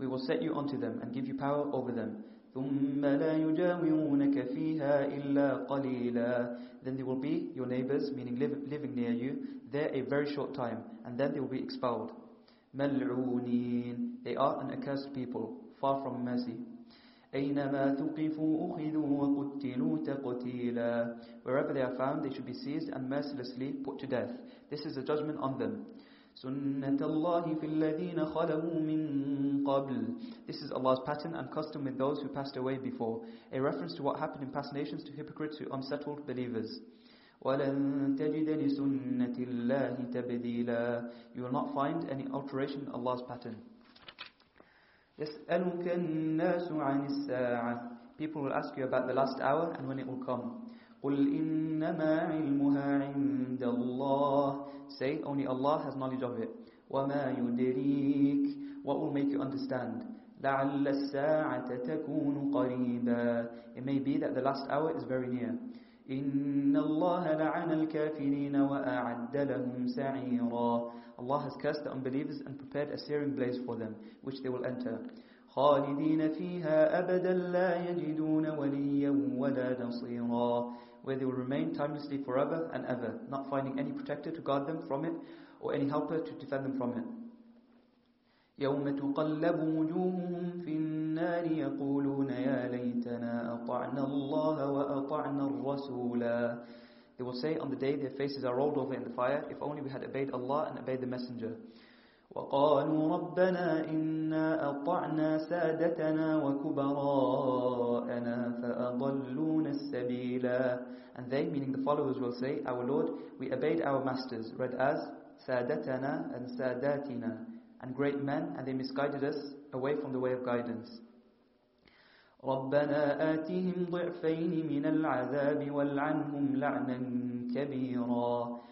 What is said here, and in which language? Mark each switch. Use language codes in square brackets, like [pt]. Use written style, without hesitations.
[en] We will set you onto them and give you power over them. [ar] ثُمَّ لَا يُجَاوِرُونَكَ فِيهَا إِلَّا قَلِيلًا. [en] Then they will be your neighbors, meaning living near you, there a very short time, and then they will be expelled. [ar] مَلْعُونِينَ. [en] They are an accursed people, far from mercy. [ar] أينما ثقفوا أخذوا وقتلوا تقتيلا. [en] Wherever they are found, they should be seized and mercilessly put to death. This is a judgment on them. [ar] سنة الله في الذين خلوا من قبل. [en] This is Allah's pattern and custom with those who passed away before. A reference to what happened in past nations to hypocrites who unsettled believers. [ar] ولن تجد لسنة الله تبديلا. [en] You will not find any alteration in Allah's pattern. [ar] يسألك الناس عن الساعة. [en] People will ask you about the last hour and when it will come. [ar] قل إنما علمها عند الله. [en] Say, only Allah has knowledge of it. [ar] وما يدريك. [en] What will make you understand? [ar] لعل الساعة تكون قريبا. [en] It may be that the last hour is very near. [ar] إن الله لعن الكافرين وأعد لهم سعيرا. [en] Allah has cursed the unbelievers and prepared a searing blaze for them, which they will enter. [ar] خالدين فيها أبدا لا يجدون وليا ولا نصيرا. [en] Where they will remain timelessly forever and ever, not finding any protector to guard them from it or any helper to defend them from it. [ar] يوم تقلب وجوههم في النار يقولون يا ليتنا أطعنا الله وأطعنا الرسولا. [en] They will say on the day their faces are rolled over in the fire, if only we had obeyed Allah and obeyed the Messenger. [ar] وقالوا ربنا إنا أطعنا سادتنا وكبراءنا فأضلون السبيلا. [en] And they, meaning the followers, will say, our Lord, we obeyed our masters, read as سادتنا and ساداتنا, and great men, and they misguided us away from the way of guidance. [ar] ربنا آتهم ضعفين من العذاب والعنهم لعنا كبيرا.